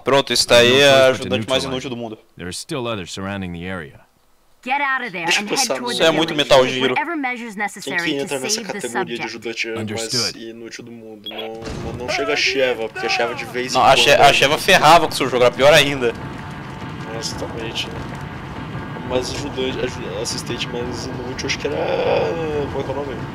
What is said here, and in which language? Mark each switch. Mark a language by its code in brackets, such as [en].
[pt] Pronto, esse daí é o ajudante mais inútil do mundo. [en] There are still others surrounding the area. Get out of there and head [pt] Isso [en] toward [pt] é muito Metal Giro. Quem que entra nessa categoria de ajudante mais inútil do mundo? Não chega a Sheva, porque a Sheva de vez não, em quando. A Sheva ferrava com o seu jogo, era pior ainda. Exatamente. Mas ajudante, assistente mais inútil, acho que era. Qual é o nome?